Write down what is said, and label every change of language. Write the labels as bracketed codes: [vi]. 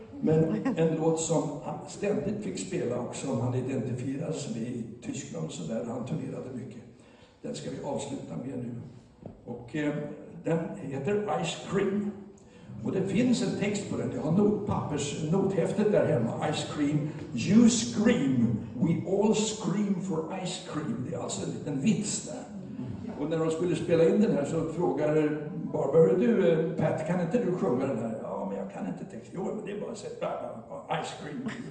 [sv] Men en låt som han ständigt fick spela och som han identifierades med i Tyskland, så där han turnerade mycket. Den ska vi avsluta med nu. Och den heter Ice Cream. Och det finns en text på den. Jag har nothäftet där hemma. [en] Ice Cream. You scream. We all scream for ice cream. [sv] Det är alltså en liten vits där. Och när de skulle spela in den här så frågar Barbara, du Pat, kan inte du sjunga den här? Kan inte texta. Jo, men det är bara så här, ice cream.